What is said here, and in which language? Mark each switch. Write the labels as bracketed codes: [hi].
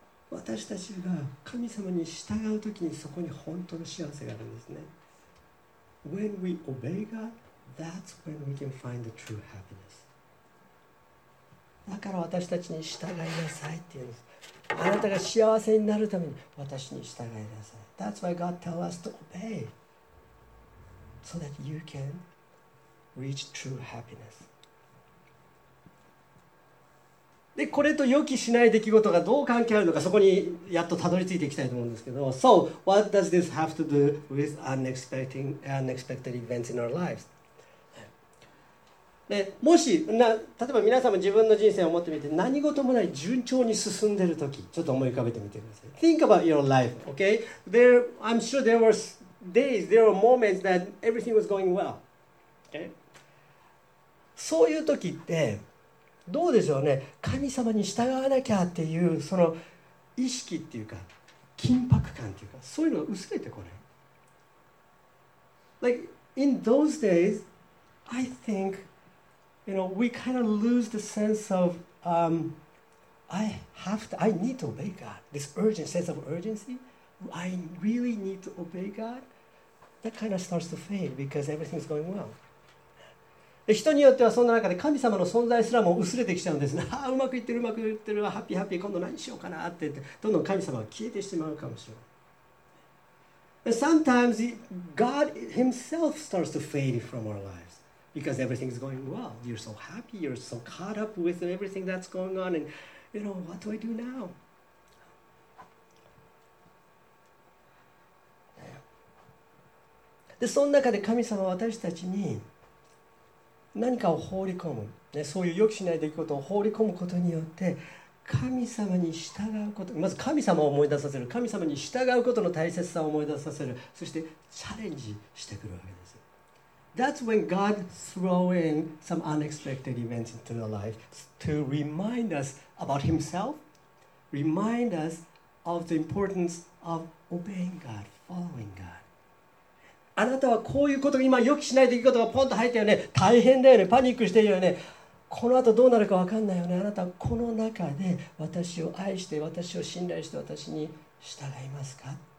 [ja] 私たちが神様に従うときにそこに本当の幸せがあるんですね。 [en] When we obey God, that's when we can find the true happiness. [ja] だから私たちに従いなさいって言うんです。あなたが幸せになるために私に従いなさい。 [en] That's why God tells us to obey, so that you can reach true happiness. [ja] で、これと予期しない出来事がどう関係あるのか、そこにやっとたどり着いていきたいと思うんですけど、 [en] So, what does this have to do with unexpected events in our lives? [ja] でもしな例えば皆さんも自分の人生を思ってみて、何事もない順調に進んでる時、ちょっと思い浮かべてみてください。 [en] Think about your life, okay? There, I'm sure there were days, there were moments that everything was going well, okay? [ja] そういう時ってどうでしょうね。神様に従わなきゃっていうその意識っていうか緊迫感っていうか、そういうのが薄れてこない？ [en] Like in those days, I thinkYou know, we kind of lose the sense of, I need to obey God. This urgent sense of urgency, I really need to obey God. That kind of starts to fade because everything's going well. [ja] 人によってはそんな中で神様の存在すらも薄れてきちゃうんですね。ああ、うまくいってる、うまくいってる、ハッピーハッピー、今度何しようかなって言って、どんどん神様は消えてしまうかもしれない。 [en] Sometimes God himself starts to fade from our lives. Because everything is going well. You're so happy. You're so caught up with everything that's going on. And, you know, what do I do now? [ja] で、その中で神様は私たちに何かを放り込む、ね、そういう予期しない出来事を放り込むことによって、神様に従うこと、まず神様を思い出させる、神様に従うことの大切さを思い出させる、そしてチャレンジしてくるわけです。 [en] That's when God throws in some unexpected events into our life to remind us about Himself, remind us of the importance of obeying God, following God. [ja] あなたはこういうこと、今予期しない出来事がポンと入ったよね、大変だよね、パニックしてるよね、この後どうなるか分かんないよね、あなたはこの中で私を愛して、私を信頼して、私に従いますか？